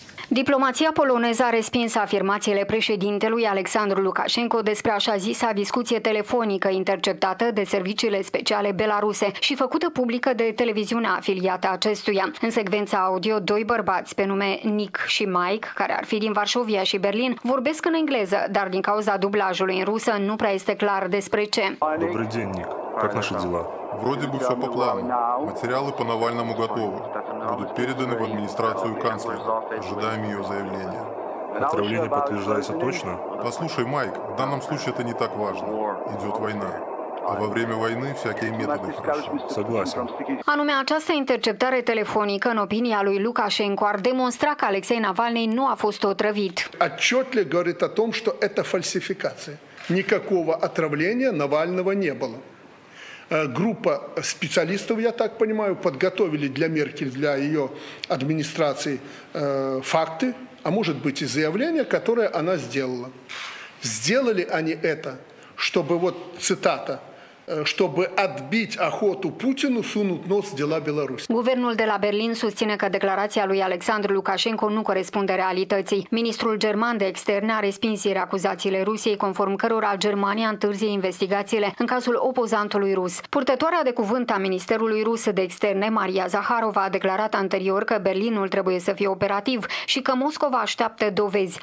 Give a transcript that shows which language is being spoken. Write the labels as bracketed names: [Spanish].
[Romanian] Diplomația poloneză a respins afirmațiile președintelui Alexandru Lukashenko despre așa zisa discuție telefonică interceptată de serviciile speciale belaruse și făcută publică de televiziunea afiliată acestuia. În secvența audio, doi bărbați pe nume Nick și Mike, care ar fi din Varșovia și Berlin, vorbesc în engleză, dar din cauza dublajului în rusă nu prea este clar despre ce. [Russian] Добрый день, Nick. Как наши дела? Вроде бы все по плану. Материалы по Навальному готовы. Будут переданы в администрацию канцлера. Ожидаем ее заявления. Отравление подтверждается точно? Послушай, Майк, в данном случае это не так важно. Идет война. А во время войны всякие методы хороши. Согласен. [Romanian] Anume, această interceptare telefonică, în opinia lui Lukashenko, ar demonstra că Alexei Navalny nu a fost otrăvit. [Russian] Отчетли говорит о том, что это фальсификация. Никакого отравления Навального не было. Группа специалистов, я так понимаю, подготовили для Меркель, для ее администрации факты, а может быть и заявление, которое она сделала. Сделали они это, чтобы, вот цитата, чтобы отбить охоту Путину сунуть нос в дела Беларуси. [Romanian] Guvernul de la Berlin susține că declarația lui Alexandru Lukashenko nu corespunde realității. Ministrul german de externe a respins ieri acuzațiile Rusiei, conform cărora Germania întârzie investigațiile în cazul opozantului rus. Purtătoarea de cuvânt a Ministerului rus de externe, Maria Zaharova, a declarat anterior că Berlinul trebuie să fie operativ și că Moscova așteaptă dovezi.